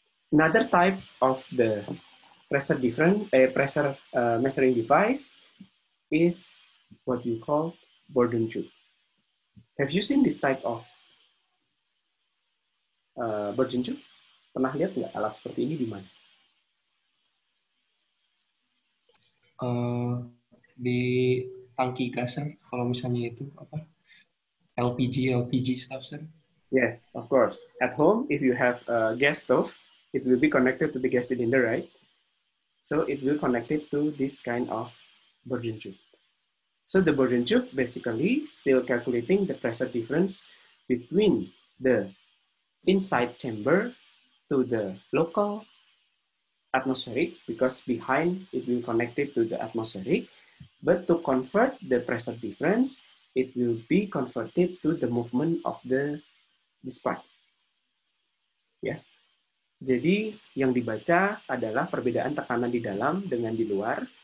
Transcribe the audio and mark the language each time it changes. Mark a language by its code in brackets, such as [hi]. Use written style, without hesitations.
[en] Another type of the pressure measuring device is what you call Bourdon tube. Have you seen this type of Bourdon tube? [id] Pernah lihat nggak alat seperti ini di mana? Di tangki gas, kalau misalnya itu apa? [en] LPG stuff, sir. Yes, of course. At home, if you have a gas stove, it will be connected to the gas cylinder, right? So it will connect it to this kind of Bourdon tube. So the Bourdon tube basically still calculating the pressure difference between the inside chamber to the local atmospheric, because behind it will connect it to the atmospheric. But to convert the pressure difference, it will be converted to the movement of the display. [id] Ya. Jadi yang dibaca adalah perbedaan tekanan di dalam dengan di luar.